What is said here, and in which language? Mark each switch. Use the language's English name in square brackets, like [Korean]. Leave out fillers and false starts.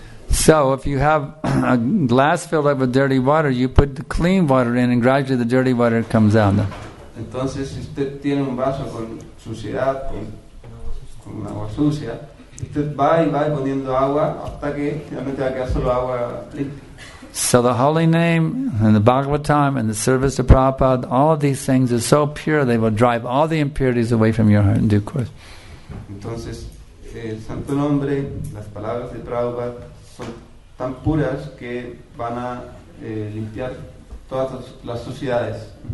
[English] So if you have a glass filled up with dirty water, you put the clean water in and gradually the dirty water comes out. [Spanish] Entonces si usted tiene un vaso con suciedad, con agua sucia, usted va y va poniendo agua hasta que finalmente va a quedar solo agua limpia. [English] So the holy name and the Bhagavatam and the service to Prabhupada, all of these things are so pure they will drive all the impurities away from your heart in due course. [Spanish] Entonces, el santo nombre, las palabras de Prabhupada son tan puras que van a limpiar todas las suciedades.